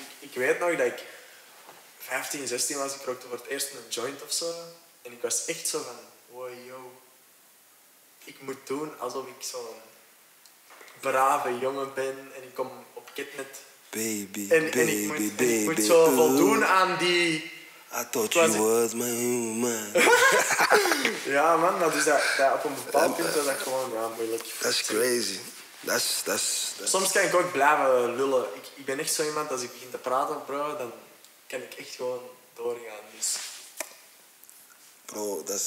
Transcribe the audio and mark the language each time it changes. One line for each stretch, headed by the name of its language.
Dutch: Ik weet nog dat ik 15, 16 was. Ik rookte voor het eerst een joint of zo. En ik was echt zo van, wow, yo. Ik moet doen alsof ik zo'n brave jongen ben. En ik kom op Kidnet.
English: Baby,
Dutch: en,
English: baby,
Dutch: en ik moet,
English: baby.
Dutch: En ik moet zo voldoen aan die...
English: I thought you was my human.
Dutch: Ja, man, dat is op een bepaald punt was dat gewoon moeilijk.
English: That's crazy. That's...
Dutch: Soms kan ik ook blijven lullen. Ik ben echt zo iemand, als ik begin te praten, bro, dan kan ik echt gewoon doorgaan. Dus... Bro, dat's...